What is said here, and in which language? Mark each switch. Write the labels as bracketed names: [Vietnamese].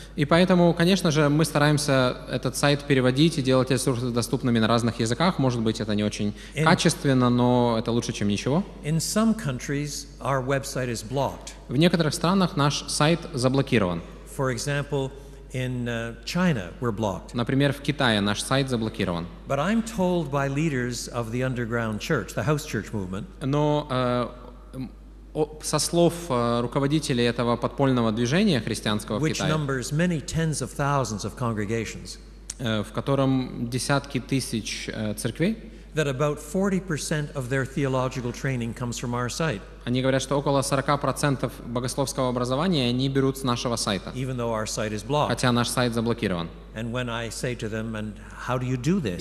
[Russian] И поэтому, конечно же, мы стараемся этот сайт переводить и делать ресурсы доступными на разных языках. Может быть, это не очень качественно, но это лучше, чем ничего. [English] In some countries, our website is blocked. [Russian] В некоторых странах наш сайт заблокирован. [English] For example, in China, we're blocked. [Russian] Например, в Китае наш сайт заблокирован. [English] But I'm told by leaders of the underground church, the house church movement. [Russian] Но со слов руководителей этого подпольного движения христианского в Китае, [English] numbers many tens of thousands of congregations, [Russian] в котором десятки тысяч церквей, [English] that about 40% of their theological training comes from our site. [Russian] Они говорят, что около 40% богословского образования они берут с нашего сайта. [English] Even though our site is blocked. [Russian] Хотя наш сайт заблокирован. [English] And when I say to them, and how do you do this?